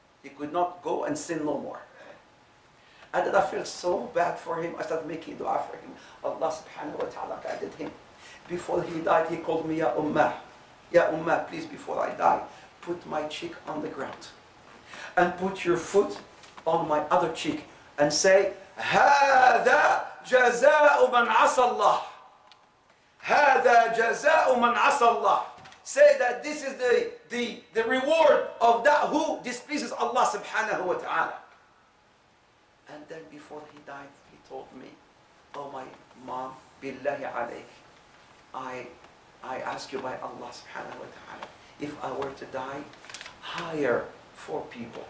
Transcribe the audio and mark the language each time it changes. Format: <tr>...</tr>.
<en>He could not go and sin no more. And then I feel so bad for him, I started making dua for him. Allah subhanahu wa ta'ala guided him. Before he died, he called me, Ya Ummah, please, before I die, put my cheek on the ground. And put your foot on my other cheek. And say,</en> <ar>هَذَا جَزَاءُ مَنْ عَصَى اللَّهِ. هَذَا جَزَاءُ مَنْ عَصَى اللَّهِ.</ar> <en>Say that this is the reward of that who displeases Allah subhanahu wa ta'ala. And then before he died, he told me, oh my mom,</en> <ar>billahi alayk,</ar> <en>I ask you by Allah subhanahu wa ta'ala, if I were to die, hire four people.</en>